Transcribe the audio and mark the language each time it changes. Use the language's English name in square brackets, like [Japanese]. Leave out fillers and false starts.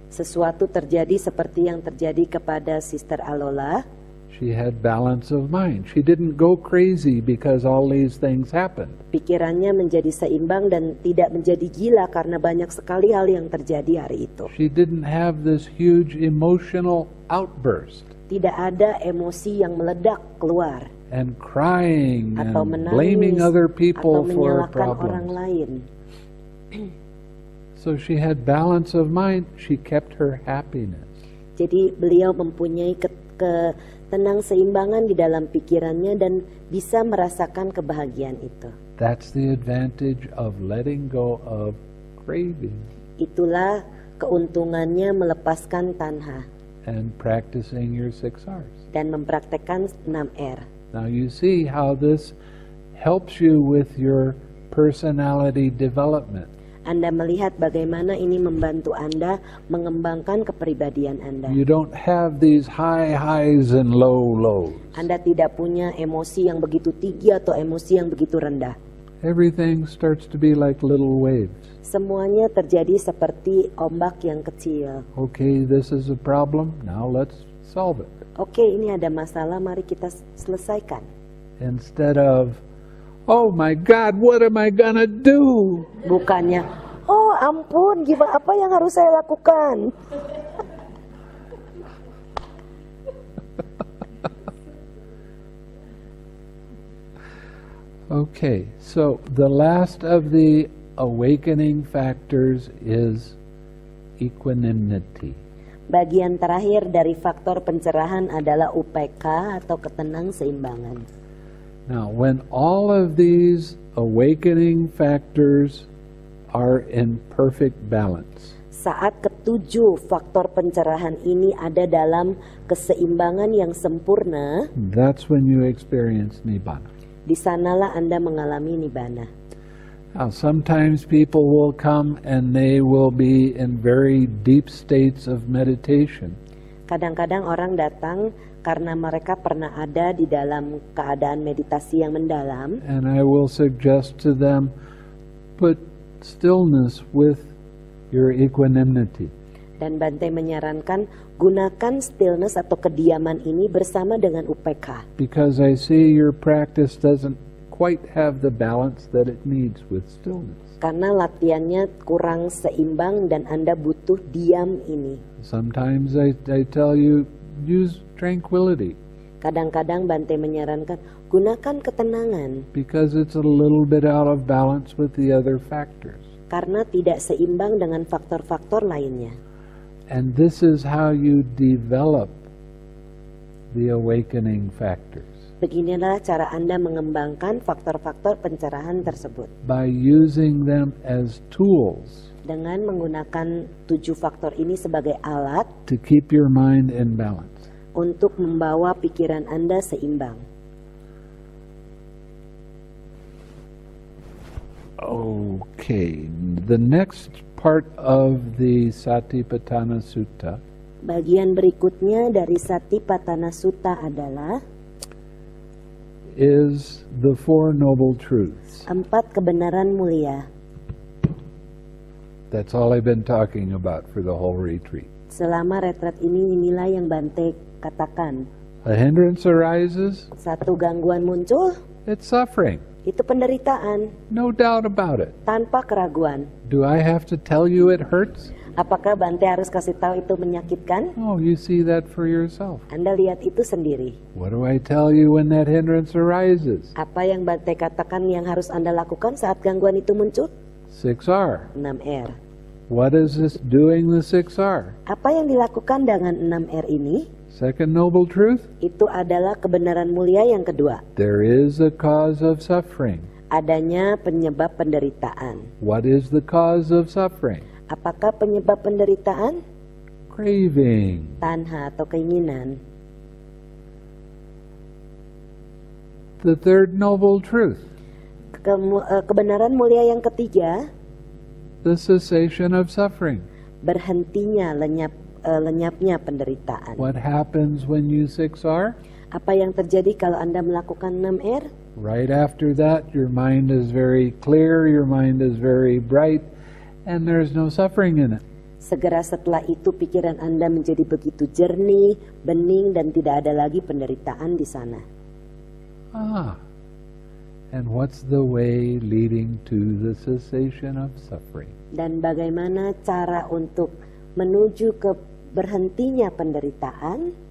[Indonesian] sesuatu terjadi seperti yang terjadi kepada Sister Alola, [English] she had balance of mind. She didn't go crazy because all these things happened. [Indonesian] Pikirannya menjadi seimbang dan tidak menjadi gila karena banyak sekali hal yang terjadi hari itu. [English] She didn't have this huge emotional outburst. [Indonesian] Tidak ada emosi yang meledak keluar. [English] And crying [Indonesian] atau [English] and [Indonesian] menangis, [English] blaming other people for her problems. [Indonesian] Orang lain. [English] So she had balance of mind. She kept her happiness. [Indonesian] Jadi beliau mempunyai ketenang seimbangan di dalam pikirannya dan bisa merasakan kebahagiaan itu. [English] That's the advantage of letting go of craving. [Indonesian] Itulah keuntungannya melepaskan tanha. [English] and practicing your six R's. [Indonesian] Dan mempraktekkan 6 R. [English] Now you see how this helps you with your personality development. [Indonesian] Anda melihat bagaimana ini membantu Anda mengembangkan kepribadian Anda. [English] You don't have these high highs and low lows. [Indonesian] Anda tidak punya emosi yang begitu tinggi atau emosi yang begitu rendah. [English] Everything starts to be like little waves. [Indonesian] Semuanya terjadi seperti ombak yang kecil. [English] Okay, this is a problem. Now let's solve it. [Indonesian] Okay, ini ada masalah. Mari kita selesaikan. [English] Instead of, oh my God, what am I gonna do? [Indonesian] Bukannya, oh ampun, gimana, apa yang harus saya lakukan? [English] Okay, so the last of the awakening factors is equanimity. [Indonesian] Bagian terakhir dari faktor pencerahan adalah UPK atau ketenang seimbangan. [English] Now, when all of these awakening factors are in perfect balance. [Indonesian] Saat ketujuh faktor pencerahan ini ada dalam keseimbangan yang sempurna. [English] That's when you experience Nibbana. [Indonesian] Di sanalah Anda mengalami Nibbana. [English] Now, sometimes people will come and they will be in very deep states of meditation. [Indonesian] Kadang-kadang orang datang karena mereka pernah ada di dalam keadaan meditasi yang mendalam. [English] And I will suggest to them, put stillness with your equanimity. [Indonesian] Dan Bante menyarankan, gunakan stillness atau kediaman ini bersama dengan UPK. [English] Because I see your practice doesn't quite have the balance that it needs with stillness. [Indonesian] Karena latihannya kurang seimbang dan Anda butuh diam ini. [English] Sometimes I tell you, use tranquility. [Indonesian] Kadang-kadang Bante menyarankan, gunakan ketenangan. [English] Because it's a little bit out of balance with the other factors. [Indonesian] Karena tidak seimbang dengan faktor-faktor lainnya. [English] And this is how you develop the awakening factors. [Indonesian] Beginilah cara Anda mengembangkan faktor-faktor pencerahan tersebut. [English] By using them as tools. [Indonesian] Dengan menggunakan tujuh faktor ini sebagai alat. [English] To keep your mind in balance. [Indonesian] Untuk membawa pikiran Anda seimbang. [English] Okay, the next part of the Satipatthana Sutta. [Indonesian] Bagian berikutnya dari Satipatthana Sutta adalah [English] is the Four Noble Truths. [Indonesian] Empat kebenaran mulia. [English] That's all I've been talking about for the whole retreat. [Indonesian] Selama retret ini, inilah yang Bante katakan. [English] A hindrance arises. [Indonesian] Satu gangguan muncul. [English] It's suffering. [Indonesian] Itu penderitaan. [English] No doubt about it. [Indonesian] Tanpa keraguan. [English] Do I have to tell you it hurts? [Indonesian] Apakah Bante harus kasih tahu itu menyakitkan? [English] Oh, you see that for yourself. [Indonesian] Anda lihat itu sendiri. [English] What do I tell you when that hindrance arises? [Indonesian] Apa yang Bante katakan yang harus Anda lakukan saat gangguan itu muncul? [English] 6R. [Indonesian] 6R. [English] What is this doing the 6R? [Indonesian] Apa yang dilakukan dengan 6R ini? [English] Second noble truth. [Indonesian] Itu adalah kebenaran mulia yang kedua. [English] There is a cause of suffering. [Indonesian] Adanya penyebab penderitaan. [English] What is the cause of suffering? [Indonesian] Apakah penyebab penderitaan? [English] Craving. [Indonesian] Tanha atau keinginan. [English] The third noble truth. [Indonesian] Kebenaran mulia yang ketiga. [English] The cessation of suffering. [Indonesian] Berhentinya lenyapnya penderitaan. [English] What happens when you 6R? [Indonesian] Apa yang terjadi kalau Anda melakukan 6R? [English] Right after that, your mind is very clear, your mind is very bright, and there is no suffering in it. [Indonesian] Segera setelah itu, pikiran Anda menjadi begitu jernih, bening, dan tidak ada lagi penderitaan di sana. [English] Ah, and what's the way leading to the cessation of suffering? [Indonesian] Dan bagaimana cara untuk menuju ke berhentinya penderitaan?